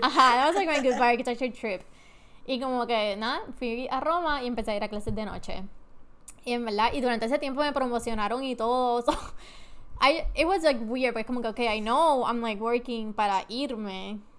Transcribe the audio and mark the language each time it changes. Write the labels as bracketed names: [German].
[English] Ajá, that was like my goodbye architecture trip. [Spanish] Y como que, nada, fui a Roma y empecé a ir a clases de noche. Y en verdad, y durante ese tiempo me promocionaron y todo. [English] So, it was like weird, but [Spanish] como que, [English] okay, I know I'm like working [Spanish] para irme.